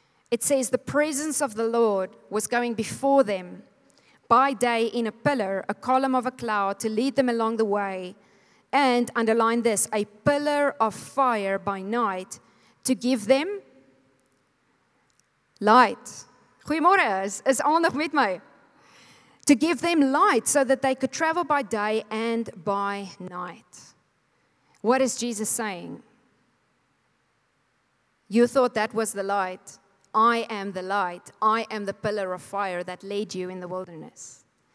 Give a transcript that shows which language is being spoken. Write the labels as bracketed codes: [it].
[en] It says, the presence of the Lord was going before them, by day in a pillar, a column of a cloud to lead them along the way, and underline this, a pillar of fire by night to give them light. [af] Goeiemôre, is almal nog met my? [en] To give them light so that they could travel by day and by night. What is Jesus saying? You thought that was the light. I am the light. I am the pillar of fire that led you in the wilderness.